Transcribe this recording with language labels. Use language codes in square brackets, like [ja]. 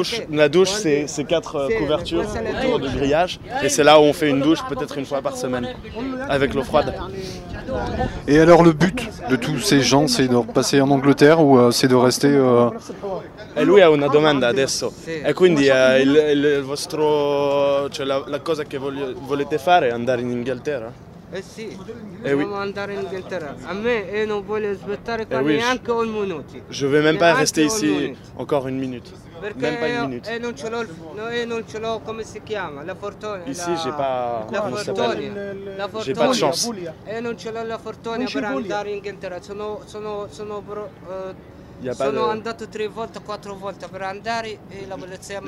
[fr] La douche c'est 4 couvertures autour du grillage. Et c'est là où on fait une douche peut-être une fois par semaine avec l'eau froide. Et alors le but de tous ces gens, c'est de passer en Angleterre ou c'est de rester [it] E lui ha una domanda adesso, e quindi il vostro, cioè la cosa che volete fare è andare in Inghilterra? Sì, dobbiamo andare in Inghilterra. A me io non voglio aspettare qua neanche un minuto. [fr] Je ne veux même pas rester ici encore une minute. [it] Perché [fr] même pas une minute. [it] Non ce l'ho, come si chiama, la fortuna. [fr] Ici, j'ai pas. [it] La fortuna. [fr] J'ai pas de chance. [it] E non ce l'ho la fortuna per andare in Inghilterra. Sono andato 3 volte, 4 volte per andare e la polizia mi